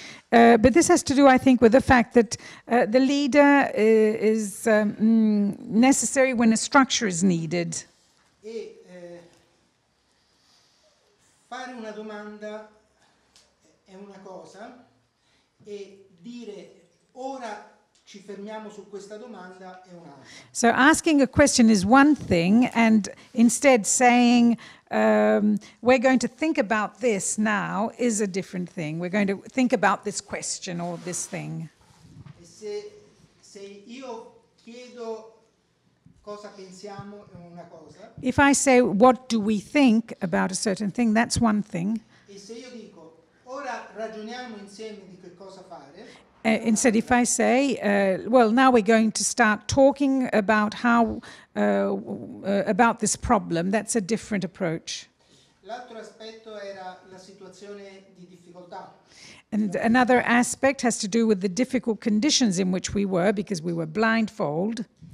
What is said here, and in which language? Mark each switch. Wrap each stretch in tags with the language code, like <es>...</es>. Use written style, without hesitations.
<en>But this has to do, I think, with the fact that the leader is necessary when a structure is needed.</en> <it>Fare una domanda è una cosa, e dire ora ci fermiamo su questa domanda è un'altra.</it> <en>So asking a question is one thing, and instead saying we're going to think about this now is a different thing. We're going to think about this question or this thing.</en> <it>E se io chiedo cosa pensiamo è una cosa.</it> <en>If I say what do we think about a certain thing, that's one thing.</en> <it>E se io dico ora ragioniamo insieme di che cosa fare.</it> <en>Instead, if I say, well, now we're going to start talking about how about this problem, that's a different approach.</en> <it>L'altro aspetto era la situazione di difficoltà.</it> <en>And another aspect has to do with the difficult conditions in which we were, because we were blindfold.</en>